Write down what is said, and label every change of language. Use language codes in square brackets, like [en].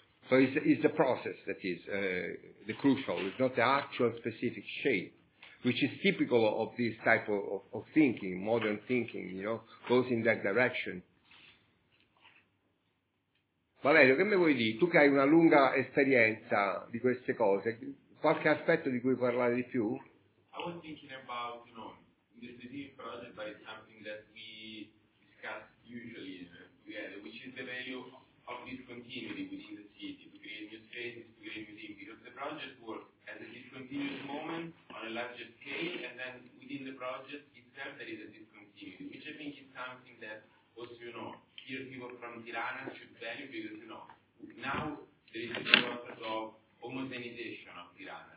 [en] So it's the process that is the crucial. It's not the actual specific shape, which is typical of this type of thinking, modern thinking, you know, goes in that direction. [it] Valerio, che mi vuoi dire? Tu che hai una lunga esperienza di queste cose, qualche aspetto di cui parlare di più? [en] I was thinking about, you know, in the specific project, but it's something that we discuss usually together, which is the value of discontinuity within the city, to create new spaces, to create new things, because the project works as a discontinuous moment on a larger scale, and then within the project itself there is a discontinuity, which I think is something that also, you know, here people from Tirana should value, because, you know, now there is a process of homogenization of Tirana.